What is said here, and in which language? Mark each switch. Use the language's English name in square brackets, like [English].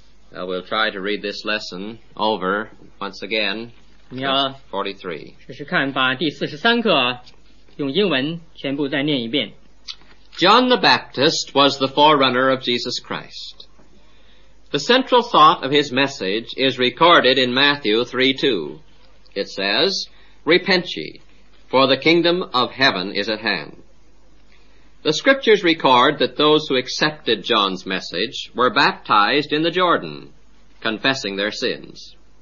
[English] Well, we'll try to read this lesson over once again. [Chinese] 你要 43. 试试看把第43课用英文全部再念一遍。 [English] John the Baptist was the forerunner of Jesus Christ. The central thought of his message is recorded in Matthew 3:2. It says, Repent ye, for the kingdom of heaven is at hand. The scriptures record that those who accepted John's message were baptized in the Jordan, confessing their sins.